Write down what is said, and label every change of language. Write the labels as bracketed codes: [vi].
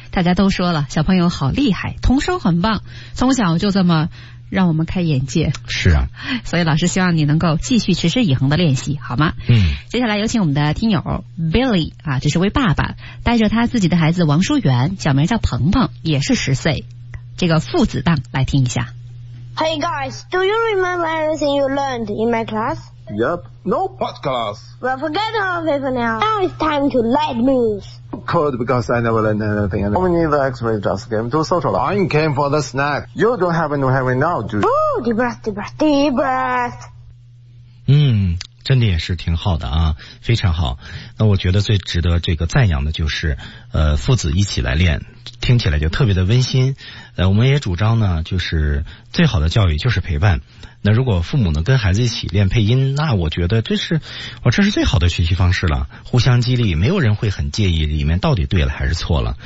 [zh] 大家都说了，小朋友好厉害，童声很棒，从小就这么让我们开眼界。是啊，所以老师希望你能够继续持之以恒的练习，好吗？嗯。接下来有请我们的听友 Billy 啊，这是位爸爸，带着他自己的孩子王书元，小名叫鹏鹏，也是十岁，这个父子档来听一下。 [en] Hey guys, do you remember everything you learned in my class? Yep. No, what class? Well, forget all of it for now. Now it's time to let loose. Good, because I never learned anything. How many of the X-rays just came to social? I came for the snack. You don't happen to have it now, do you? Ooh, deep breath, deep breath, deep breath. [zh] 真的也是挺好的啊，非常好。那我觉得最值得这个赞扬的就是父子一起来练，听起来就特别的温馨。我们也主张呢，就是最好的教育就是陪伴。那如果父母呢跟孩子一起练配音，那我觉得这是最好的学习方式了，互相激励，没有人会很介意里面到底对了还是错了。